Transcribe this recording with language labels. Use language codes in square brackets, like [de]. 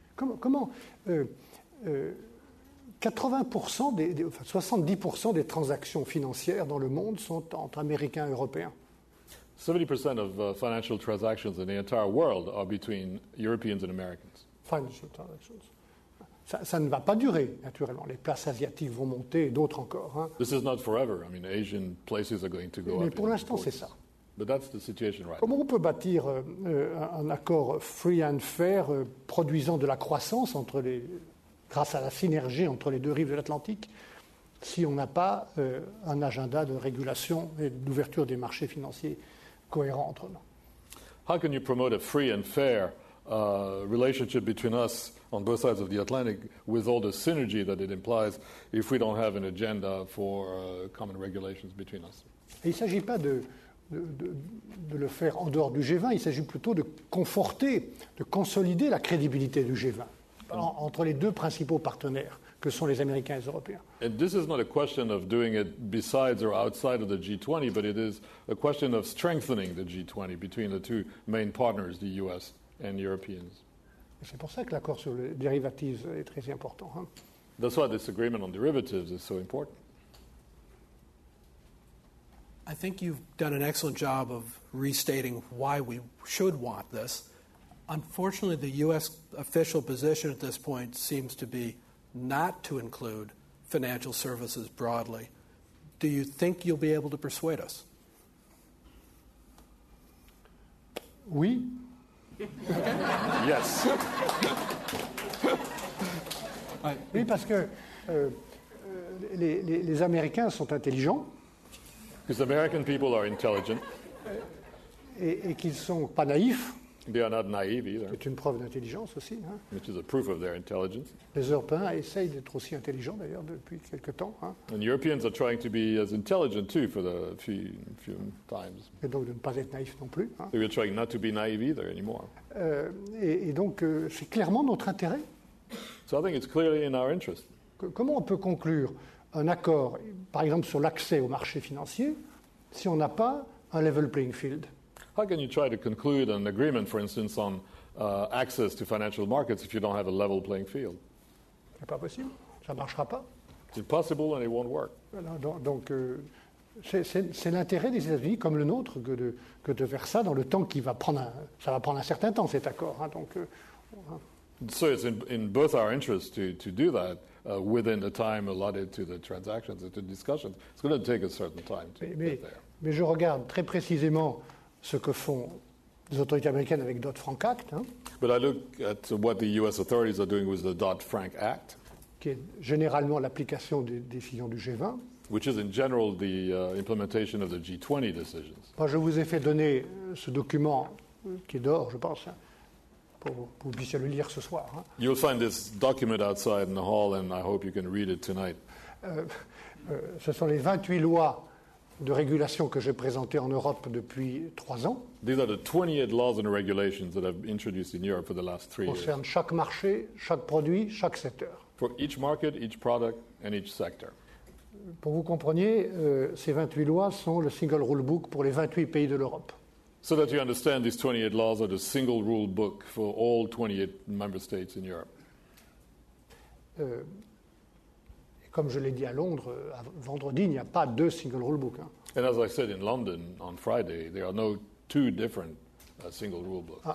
[fr] Comment 80% enfin 70% des transactions financières dans le monde sont entre Américains et Européens. [en] 70% of financial transactions in the entire world are between Europeans and Americans. Financial transactions. [fr] Ça ne va pas durer, naturellement. Les places asiatiques vont monter et d'autres encore. Hein. [en] This is not forever. I mean, Asian places are going to go [fr] mais Mais pour l'instant, c'est ça. [en] But that's the situation right [fr] Comment [en] now. [fr] On peut bâtir un accord [en] free and fair [fr] produisant de la croissance grâce à la synergie entre les deux rives de l'Atlantique si on n'a pas un agenda de régulation et d'ouverture des marchés financiers cohérent entre nous. [en] How can you promote a free and fair relationship between us on both sides of the Atlantic with all the synergy that it implies if we don't have an agenda for common regulations between us? [fr] Il ne s'agit pas de le faire en dehors du G20, il s'agit plutôt de conforter, de consolider la crédibilité du G20 entre les deux principaux partenaires. Que sont les Américains et les Européens. [en] And this is not a question of doing it besides or outside of the G20, but it is a question of strengthening the G20 between the two main partners, the US and Europeans. [fr] Et c'est pour ça que l'accord sur les dérivatives est très important. Hein? [en] That's why this agreement on derivatives is so important. I think you've done an excellent job of restating why we should want this. Unfortunately, the US official position at this point seems to be not to include financial services broadly. Do you think you'll be able to persuade us? [fr] Oui. [en] Yes. [fr] Oui, parce que les Américains sont intelligents. [en] Because American people are intelligent. [fr] Et qu'ils sont pas naïfs. [en] They are not naive either. [fr] C'est une preuve d'intelligence aussi. Hein. [en] Which is a proof of their intelligence. [fr] Les Européens essayent d'être aussi intelligents d'ailleurs depuis quelque temps. Hein. [en] And Europeans are trying to be as intelligent too for the few times. [fr] Et donc de ne pas être naïfs non plus. Hein. [en] They are trying not to be naive either anymore. [fr] Et donc c'est clairement notre intérêt. [en] So I think it's clearly in our interest. [fr] Comment on peut conclure un accord, par exemple sur l'accès aux marchés financiers, si on n'a pas un [en] level playing field? How can you try to conclude an agreement, for instance, on access to financial markets if you don't have a level playing field? [fr] C'est pas possible. Ça marchera pas. [en] It's impossible and it won't work. [fr] Donc c'est l'intérêt des États-Unis comme le nôtre que de faire ça dans le temps qui va prendre. Ça va prendre un certain temps cet accord. Hein, [en] So it's in both our interests to do that within the time allotted to the transactions and to discussions. It's going to take a certain time to get there. [fr] Mais je regarde très précisément ce que font les autorités américaines avec Dodd-Frank Act. Hein, [en] but I look at what the U.S. authorities are doing with the Dodd-Frank Act. [fr] Qui est généralement l'application des décisions du G20. [en] Which is in general the implementation of the G20 decisions. [fr] Moi, je vous ai fait donner ce document qui est dehors, je pense, hein, pour que vous puissiez le lire ce soir. Hein. [en] You'll find this document outside in the hall, and I hope you can read it tonight. [fr] ce sont les 28 lois de régulation que j'ai présentées en Europe depuis 3 ans. [en] These are the 28 laws and regulations that I've introduced in Europe for the last 3 years. [fr] Concernent chaque marché, chaque produit, chaque secteur. [en] For each market, each product and each sector. [fr] Pour vous compreniez, ces 28 lois sont le [en] single rule book [fr] pour les 28 pays de l'Europe. [en] So that you understand, these 28 laws are the single rule book for all 28 member states in Europe. [fr] Comme je l'ai dit à Londres, vendredi, il n'y a pas deux [en] single rule book. [fr] Hein. [en] And as I said in London on Friday, there are no two different single rule books.